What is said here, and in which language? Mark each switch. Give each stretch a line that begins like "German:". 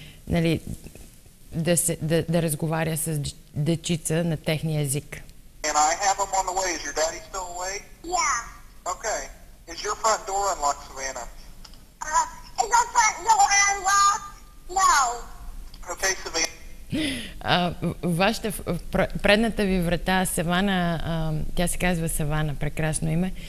Bulgarian: Нали, да разговаря с дечица на техния език.
English: And I have him on the way. Is your daddy still awake? Yeah. Okay. Is your front door unlocked, Savannah? Is your front door unlocked? No. Okay, Savannah.
Bulgarian: Вашата предната ви врата, Савана, тя се казва Савана, прекрасно име.